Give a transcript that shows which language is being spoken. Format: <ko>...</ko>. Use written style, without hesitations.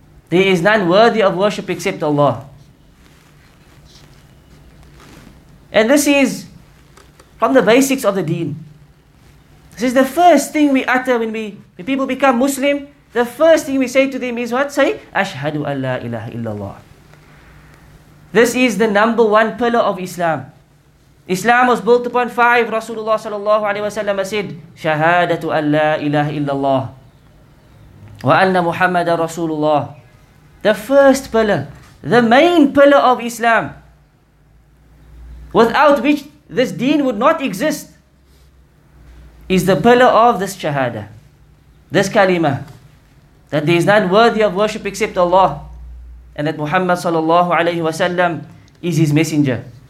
<en>There is none worthy of worship except Allah. And this is from the basics of the deen. This is the first thing we utter when people become Muslim. The first thing we say to them is what?</en> <ar>Say, أشهد أن لا إله إلا الله.</ar> <en>This is the number one pillar of Islam. Islam was built upon five. Rasulullah sallallahu alayhi wa sallam said,</en> <ar>شهادة أن لا إله إلا الله وَأَنَّ مُحَمَّدَ رَسُولُ اللَّهِ.</ar> <en>The first pillar, the main pillar of Islam, without which this deen would not exist, is the pillar of this shahada, this kalima, that there is none worthy of worship except Allah, and that Muhammad sallallahu alayhi wa sallam is his messenger.</en>